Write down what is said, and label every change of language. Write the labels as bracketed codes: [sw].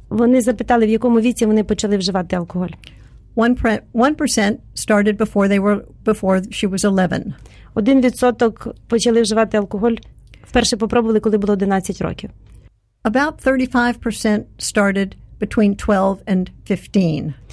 [uk] Вони запитали, в якому віці вони почали вживати алкоголь. [en] 1% started before they were before she was 11. [uk] 1% почали вживати алкоголь. Вперше попробували, коли було 11 років. [en] About 35% started between 12 and 15.